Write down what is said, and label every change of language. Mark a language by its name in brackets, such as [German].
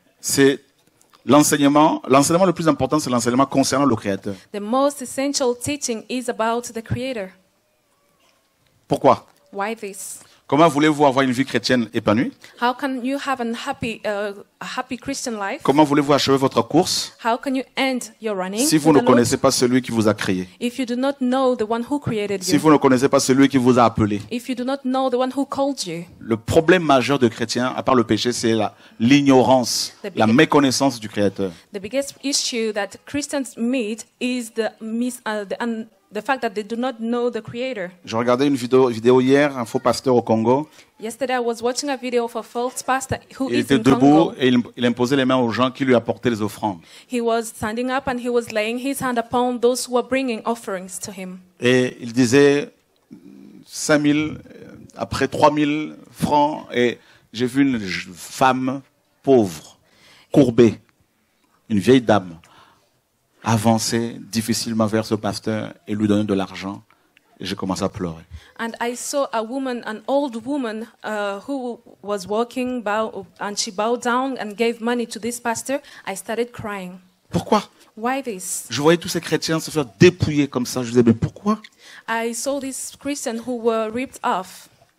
[French] C'est l'enseignement le plus important, c'est l'enseignement concernant le Créateur. [English] The most essential teaching is about the Creator. [French] Pourquoi? [English] Why this? [French] Comment voulez-vous avoir une vie chrétienne épanouie? [English] How can you have a happy, happy Christian life? [French] Comment voulez-vous achever votre course? [English] How can you end your running? [French] Si vous ne connaissez pas celui qui vous a créé. [English] If you do not know the one who created you. [French] Si vous ne connaissez pas celui qui vous a appelé. [English] If you do not know the one who called you. [French] Le problème majeur de chrétien, à part le péché, c'est l'ignorance, la méconnaissance du Créateur. [English] The biggest issue that Christians meet is the fact that they do not know the Creator. [French] Je regardais une vidéo hier, un faux pasteur au Congo. [English] Yesterday I was watching a video of a false pastor who [French] il [English] is [French] était debout [English] in Congo. [French] Et il imposait les mains aux gens qui lui apportaient les offrandes. [English] He was standing up and he was laying his hand upon those who were bringing offerings to him. [French] Et il disait 5000 après 3000 francs et j'ai vu une femme pauvre courbée, une vieille dame avancer difficilement vers ce pasteur et lui donner de l'argent. Et j'ai commencé à pleurer. [English] And I saw a woman, an old woman, who was walking, and she bowed down and gave money to this pastor. I started crying. [French] Pourquoi? [English] Why this? [French] Je voyais tous ces chrétiens se faire dépouiller comme ça. Je disais, mais pourquoi? [English] I saw these Christians who were ripped off.